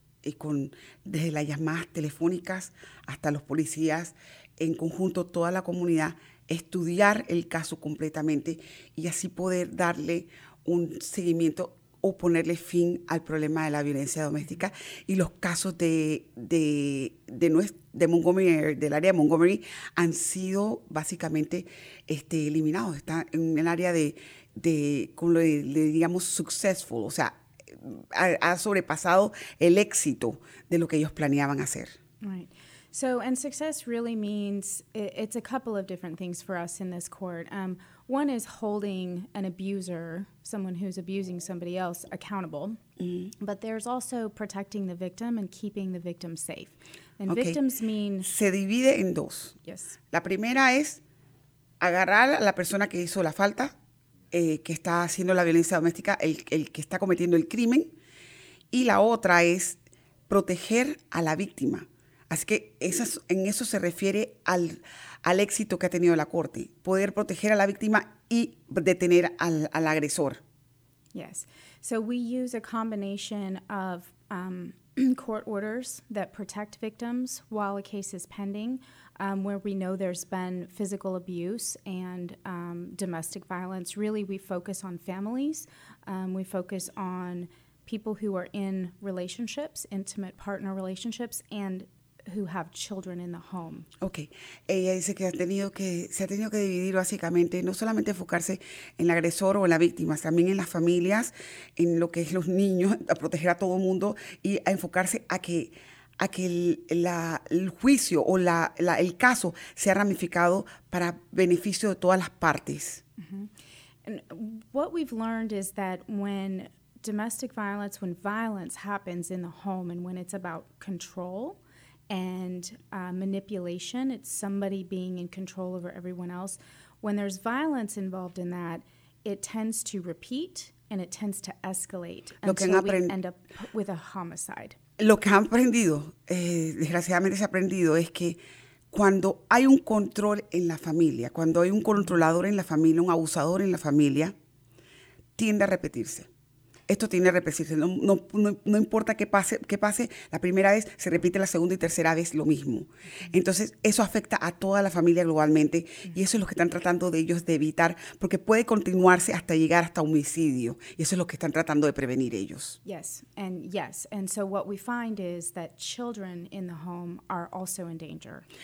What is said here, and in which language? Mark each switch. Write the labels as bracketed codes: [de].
[es] y con desde las llamadas telefónicas hasta los policías en conjunto, toda la comunidad, estudiar el caso completamente y así poder darle un seguimiento o ponerle fin al problema de la violencia doméstica y los casos de Montgomery, del área de Montgomery, han sido básicamente eliminados. Está en el área de como le digamos, successful, o sea, ha sobrepasado el éxito de lo que ellos planeaban hacer. [en] Right. So, and success really means it's a couple of different things for us in this court. One is holding an abuser, someone who's abusing somebody else, accountable. Mm-hmm. But there's also protecting the victim and keeping the victim safe. And victims mean... [es] Se divide en dos. [en] Yes. [es] La primera es agarrar a la persona que hizo la falta, que está haciendo la violencia doméstica, el que está cometiendo el crimen. Y la otra es proteger a la víctima. Así que esas, en eso se refiere al, al éxito que ha tenido la corte, poder proteger a la víctima y detener al, al agresor. [en] Yes. So we use a combination of court orders that protect victims while a case is pending, where we know there's been physical abuse and domestic violence. Really, we focus on families. We focus on people who are in relationships, intimate partner relationships, and who have children in the home. Okay. [es] Ella dice que ha tenido que, se ha tenido que dividir básicamente, no solamente enfocarse en el agresor o en la víctima, también en las familias, en lo que es los niños, a proteger a todo el mundo y a enfocarse a que el, la, el juicio o la, la, el caso sea ramificado para beneficio de todas las partes. [en] And what we've learned is that when domestic violence, when violence happens in the home and when it's about control and manipulation, it's somebody being in control over everyone else, when there's violence involved in that, it tends to repeat and it tends to escalate until we end up with a homicide. [es] Lo que han aprendido, desgraciadamente se ha aprendido, es que cuando hay un control en la familia, cuando hay un controlador en la familia, un abusador en la familia, tiende a repetirse. Esto tiene que repetirse. No importa qué pase, la primera vez se repite, la segunda y tercera vez lo mismo. Entonces, eso afecta a toda la familia globalmente y eso es lo que están tratando de ellos de evitar, porque puede continuarse hasta llegar hasta homicidio y eso es lo que están tratando de prevenir ellos. [en] Yes, and yes. And so what we find is that children in the home are also in danger.